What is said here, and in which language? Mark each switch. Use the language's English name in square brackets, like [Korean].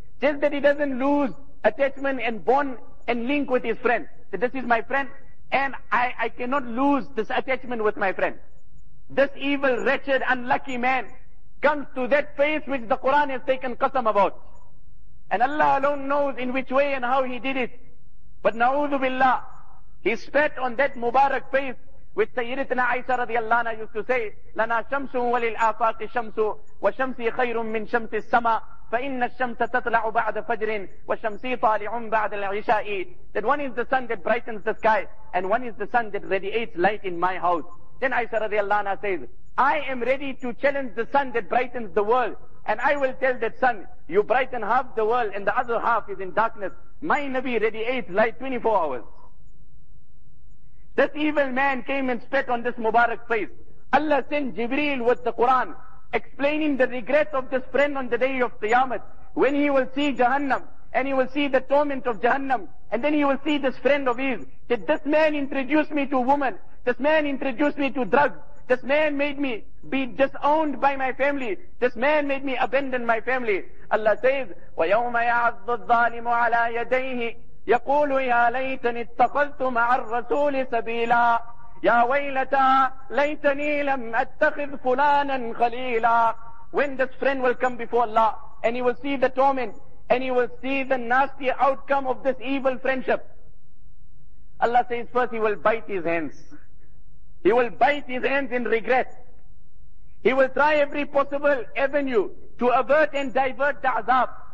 [English] Just that he doesn't lose attachment and bond and link with his friend. That this is my friend and I cannot lose this attachment with my friend. This evil, wretched, unlucky man comes to that face which the Quran has taken qasam about. And Allah alone knows in which way and how he did it. But na'udhu billah, he spat on that Mubarak face, which Sayyidatina Aisha radiallahu anha used to say, [Arabic] لَنَا شَمْسٌ وَلِلْآفَاقِ شَمْسٌ وَشَمْسِي خَيْرٌ مِّن شَمْسِ السَّمَا فَإِنَّ الشَّمْسَ تَطْلَعُ بَعْدَ فَجْرٍ وَشَمْسِي طَالِعٌ بَعْدَ الْعِشَاءِ. [English] That one is the sun that brightens the sky, and one is the sun that radiates light in my house. Then Aisha radiallahu anha says, I am ready to challenge the sun that brightens the world, and I will tell that sun, you brighten half the world and the other half is in darkness. My Nabi radiates light 24 hours. This evil man came and spat on this Mubarak face. Allah sent Jibreel with the Quran, explaining the regret of this friend on the day of Qiyamah, when he will see Jahannam, and he will see the torment of Jahannam, and then he will see this friend of his, that this man introduced me to woman, this man introduced me to drugs, this man made me be disowned by my family, this man made me abandon my family. Allah says, [Arabic] وَيَوْمَ يَعَضُّ الظَّالِمُ عَلَىٰ يَدَيْهِ يَقُولُ يَا لَيْتَنِ اتَّخَذْتُ مَعَ الرَّسُولِ سَبِيلًا يَا وَيْلَتَا لَيْتَنِي لَمْ أَتَّخِذْ فُلَانًا خَلِيلًا. [English] When this friend will come before Allah, and he will see the torment, and he will see the nasty outcome of this evil friendship, Allah says, first he will bite his hands. He will bite his hands in regret. He will try every possible avenue to avert and divert the azab.